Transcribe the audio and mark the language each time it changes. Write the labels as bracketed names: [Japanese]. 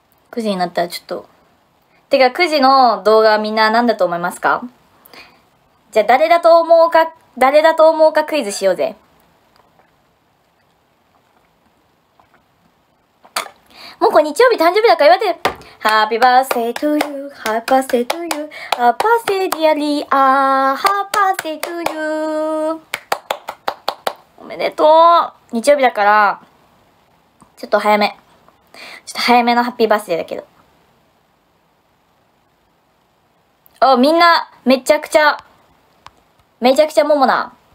[Japanese] 9時になったらちょっと。てか9時の動画はみんな何だと思いますか？じゃあ誰だと思うか、誰だと思うかクイズしようぜ。もうこれ日曜日誕生日だから言われてる。 [English] Happy birthday to you, happy birthday to you, happy birthday dear Lia, happy birthday to you. [Japanese] おめでとう。日曜日だから、ちょっと早め。ちょっと早めのハッピーバースデーだけど。お、みんな、めちゃくちゃ、めちゃくちゃモモな。